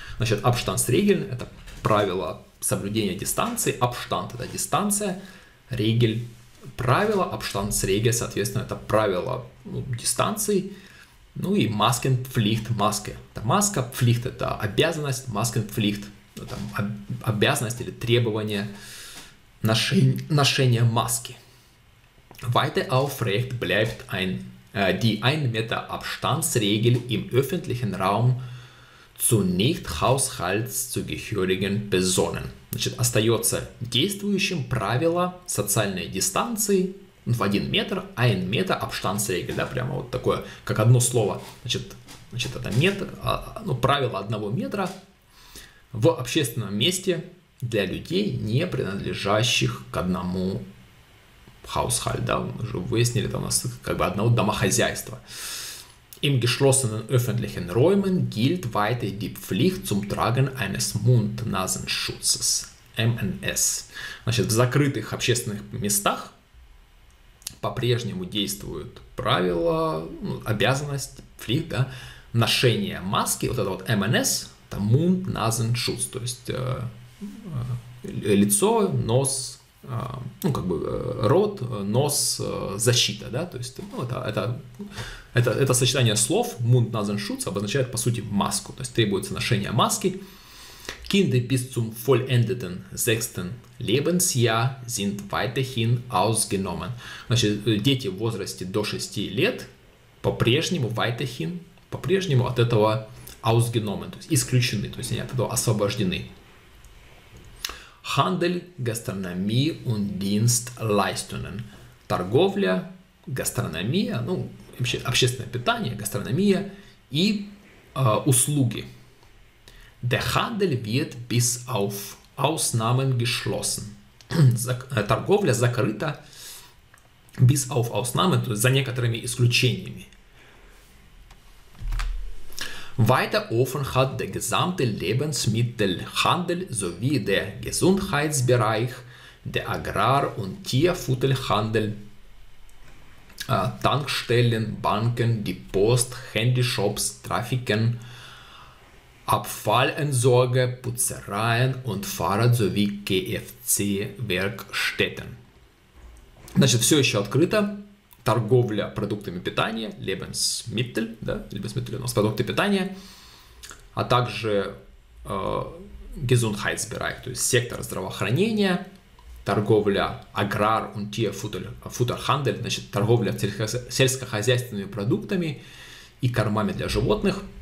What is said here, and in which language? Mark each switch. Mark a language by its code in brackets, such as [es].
[ru] Значит, Abstandsregeln – это правило соблюдение дистанции, Abstand – это дистанция, Regeln – правило, Abstandsregel, соответственно, это правило, ну, дистанции, ну и Maskenpflicht, маска – это маска, Pflicht – это обязанность, Maskenpflicht – это обязанность или требование ношения маски. [de] Weiter aufrecht bleibt ein, die 1 Meter Abstandsregel im öffentlichen Raum zu nicht haushaltszugehörigen Personen. [ru] Значит, остается действующим правило социальной дистанции в 1 метр, [de] ein Meter Abstandsregel, [ru] да, прямо вот такое, как одно слово, значит это метр, ну, правило 1 метра в общественном месте для людей, не принадлежащих к одному Haushalt, да, мы уже выяснили, это у нас как бы одного домохозяйства. [de] Im geschlossenen öffentlichen Räumen gilt weiter die Pflicht zum Tragen eines Mund-Nasen-Schutzes, MNS. [ru] Значит, в закрытых общественных местах по-прежнему действуют правила, обязанность, Pflicht, да, ношение маски, вот это вот MNS, это Mund-Nasen-Schutz, то есть лицо, нос, ну, как бы, рот, нос, защита, да, то есть, ну, это сочетание слов Mund-Nasen-Schutz обозначает, по сути, маску, то есть требуется ношение маски. [de] Kinder bis zum vollendeten sechsten Lebensjahr sind weiterhin ausgenommen. [ru] Значит, дети в возрасте до 6 лет по-прежнему, weiterhin, по-прежнему от этого ausgenommen, то есть исключены, то есть они от этого освобождены. [de] Handel, Gastronomie und Dienstleistungen. [ru] Торговля, гастрономия, ну, общественное питание, гастрономия и услуги. [de] Der Handel wird bis auf Ausnahmen geschlossen. [ru] Торговля закрыта [de] bis auf Ausnahmen, [ru] то есть за некоторыми исключениями. [de] Weiter offen hat der gesamte Lebensmittelhandel sowie der Gesundheitsbereich, der Agrar- und Tierfutterhandel, Tankstellen, Banken, Depost, Handyshops, Trafiken, Abfallentsorge, Putzereien und Fahrrad sowie KFC-Werkstätten. [ru] Значит, все еще открыто. Торговля продуктами питания, Lebensmittel, да, Lebensmittel у нас продукты питания, а также Gesundheitsbereich, то есть сектор здравоохранения, торговля аграр [de] und Tierfutterhandel, [ru] значит, торговля сельскохозяйственными продуктами и кормами для животных,